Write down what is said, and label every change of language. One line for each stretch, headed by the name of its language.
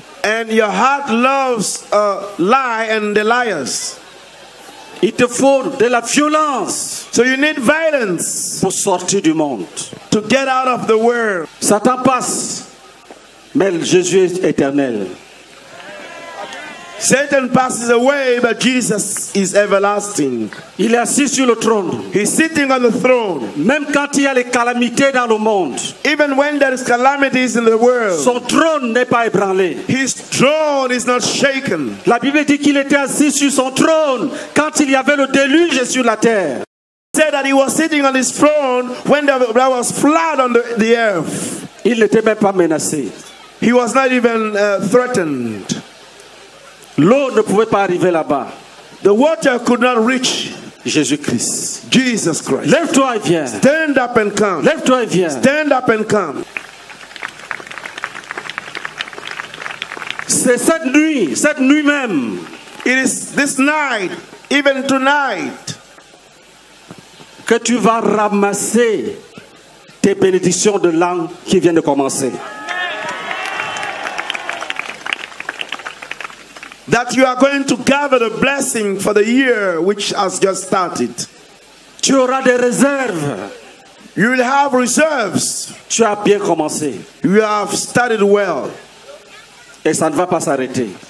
English: And your heart loves a lie and the liars.
French: Il te faut de la violence.
English: So you need violence.
French: Pour sortir du monde.
English: To get out of the world.
French: Satan passe. Mais Jésus est éternel.
English: Satan passes away, but Jesus is everlasting.
French: Il est assis sur le trône.
English: He's sitting on the throne.
French: Même quand il y a les calamités dans le monde.
English: Even when there is calamities in the world.
French: Son trône n'est pas ébranlé.
English: His throne is not shaken.
French: La Bible dit qu'il était assis sur son trône quand il y avait le déluge sur la terre.
English: He said that he was sitting on his throne when there was flood on the earth.
French: Il n'était même pas menacé.
English: He was not even threatened.
French: L'eau ne pouvait pas arriver là-bas.
English: The water could not reach
French: Jésus-Christ.
English: Jesus Christ.
French: Lève-toi et viens.
English: Stand up and come.
French: Lève-toi et viens.
English: Stand up and come.
French: C'est cette nuit même.
English: It is this night, even tonight,
French: que tu vas ramasser tes bénédictions de l'an qui vient de commencer.
English: That you are going to gather the blessing for the year which has just started.
French: Tu auras des réserves.
English: You will have reserves.
French: Tu as bien commencé.
English: You have started well.
French: Et ça ne va pas s'arrêter.